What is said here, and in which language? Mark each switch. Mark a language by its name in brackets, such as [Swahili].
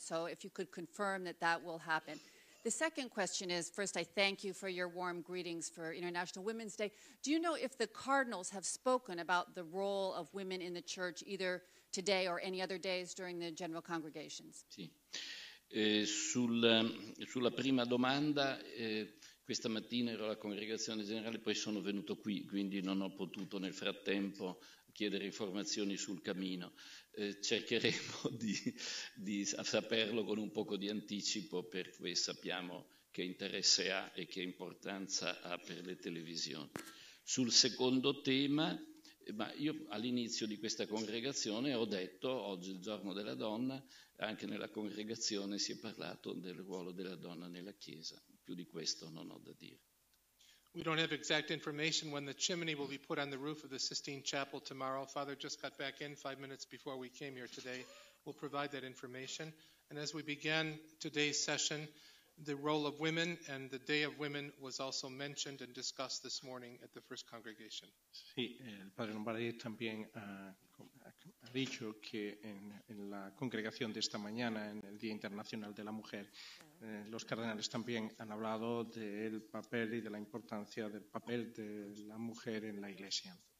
[English] So if you could confirm that that will happen. The second question is, first, I thank you for your warm greetings for International Women's Day. Do you know if the cardinals have spoken about the role of women in the church either today or any other days during the General Congregations? [Italian] Sì. Sulla prima domanda, questa mattina ero alla Congregazione Generale, poi sono venuto qui, quindi non ho potuto nel frattempo chiedere informazioni sul cammino. Cercheremo di saperlo con un poco di anticipo, perché sappiamo che interesse ha e che importanza ha per le televisioni. Sul secondo tema, ma io all'inizio di questa congregazione ho detto, oggi è il giorno della donna, anche nella congregazione si è parlato del ruolo della donna nella Chiesa. Più di questo non ho da dire. [English] We don't have exact information when the chimney will be put on the roof of the Sistine Chapel tomorrow. Father just got back in 5 minutes before we came here today. We'll provide that information. And as we began today's session, the role of women and the Day of Women was also mentioned and discussed this morning at the First Congregation. [Spanish] Sì, il Padre Lombardi también ha dicho que en la congregación de esta mañana, en el Día Internacional de la Mujer, los cardenales también han hablado del papel y de la importancia del papel de la mujer en la Iglesia.